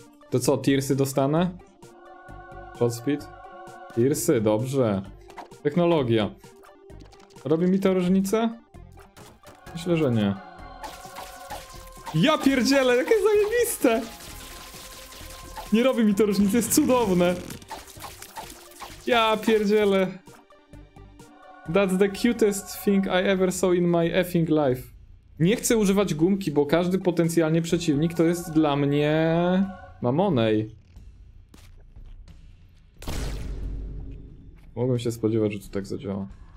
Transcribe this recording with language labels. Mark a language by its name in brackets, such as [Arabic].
[Polish] To co, Tirsy dostanę? Shot speed? Tirsy, dobrze. Technologia. Robi mi to różnicę? Myślę, że nie. Ja pierdzielę, jakie zajebiste! Nie robi mi to różnicy, jest cudowne. Ja pierdzielę. [English] That's the cutest thing I ever saw in my effing life. [Polish] Nie chcę używać gumki, bo każdy potencjalnie przeciwnik to jest dla mnie... Mamonej. Mogłem się spodziewać, że to tak zadziała.